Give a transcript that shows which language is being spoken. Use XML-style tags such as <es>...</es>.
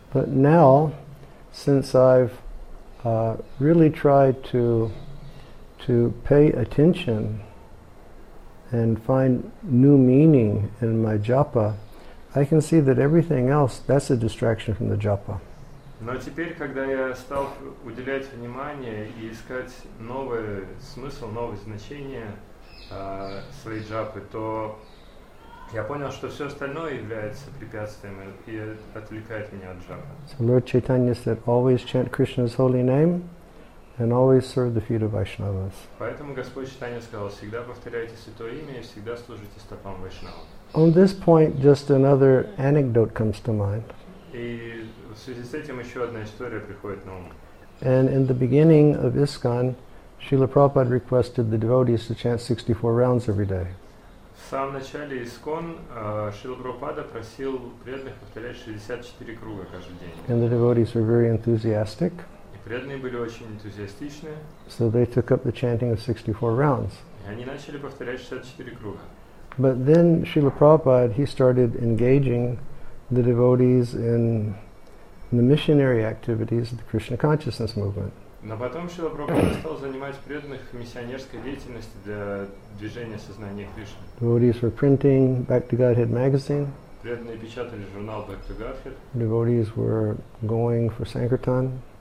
<en>But now, since I've really tried to pay attention and find new meaning in my japa, I can see that everything else, that's a distraction from the japa.</en> <ru>Но теперь, когда я стал уделять внимание и искать новый смысл, новое значение своей джапы, то я понял, что все остальное является препятствием и отвлекает меня от джапы.</ru> <en>So Lord Chaitanya said, always chant Krishna's holy name and always serve the feet of Vaishnavas.</en> <ru>Поэтому Господь Чайтанья сказал, всегда повторяйте святое имя и всегда служите стопам Вайшнава.</ru> <en>On this point, just another anecdote comes to mind.</en> <ru>И в связи с этим еще одна история приходит на ум.</ru> <en>And in the beginning of ISKCON, Srila Prabhupada requested the devotees to chant 64 rounds every day.</en> <ru>В самом начале ISKCON Шрила Прабхупада просил преданных повторять 64 круга каждый день.</ru> <en>And the devotees were very enthusiastic.</en> <ru>И преданные были очень энтузиастичны.</ru> <en>So they took up the chanting of 64 rounds.</en> <ru>И они начали повторять 64 круга.</ru> <en>But then Srila Prabhupada, he started engaging the devotees in the missionary activities of the Krishna Consciousness Movement.</en> <ru>Но потом Шрила Прабхупада стал занимать преданных миссионерской деятельностью для движения сознания Кришны.</ru> <en>Devotees were printing Back to Godhead magazine.</en> <ru>Преданные печатали журнал Back to Godhead.</ru> <en>Devotees were going for Sankirtan.</en>